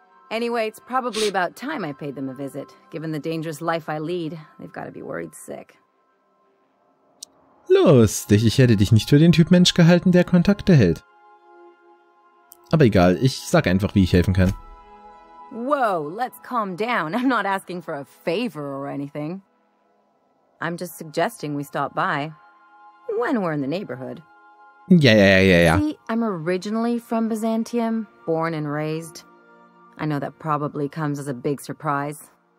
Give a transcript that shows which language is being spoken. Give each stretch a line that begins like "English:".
English: Anyway, it's probably about time I paid them a visit. Given the dangerous life I lead, they've got to be worried sick.
German: Lustig, ich hätte dich nicht für den Typ Mensch gehalten, der Kontakte hält. Aber egal, ich sag einfach, wie ich helfen kann.
English: Whoa, let's calm down. I'm not asking for a favor or anything. I'm just suggesting we stop by. When we're in the neighborhood.
German: Ja.
English: See, I'm originally from Byzantium, born and raised. I know that probably comes as a big surprise.